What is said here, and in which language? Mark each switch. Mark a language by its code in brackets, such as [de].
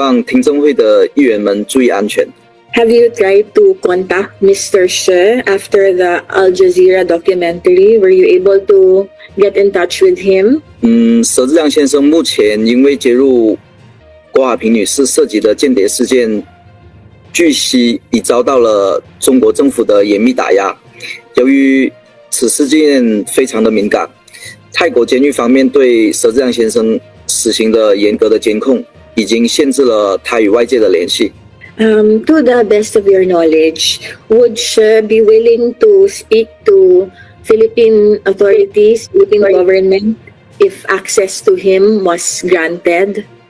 [zh] 这个是有必要的，因为不能小看中国国安的海外执行能力。我也希望听证会的议员们注意安全。 [en] Have you tried to contact Mr. She after the Al Jazeera documentary? Were you able to get in touch with him? [zh] 佘志亮先生目前因为接入郭华平女士涉及的间谍事件，据悉已遭到了中国政府的严密打压。由于此事件非常的敏感，泰国监狱方面对佘志亮先生实行的严格的监控已经限制了他与外界的联系。 [en] To the best of your knowledge, would she be willing to speak to Philippine authorities, Philippine government, if access to him was granted?